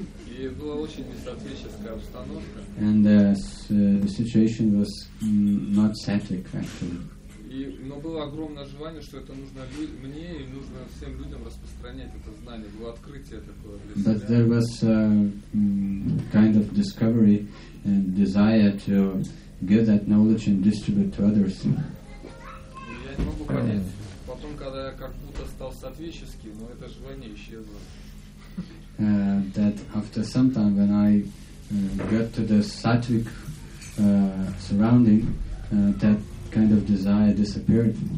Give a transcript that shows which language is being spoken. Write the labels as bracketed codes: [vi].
[ru] И была очень несоответствующая обстановка. [en] And the situation was not static actually. [ru] Но было огромное желание, что это нужно мне и нужно всем людям распространять это знание. Было открытие такое для себя. [en] But there was a kind of discovery and desire to get that knowledge and distribute to others. [ru] Я не могу понять. Потом, когда я как будто стал соответческим, но это желание исчезло. [en] That after some time, when I got to the sattvic surrounding, that kind of desire disappeared.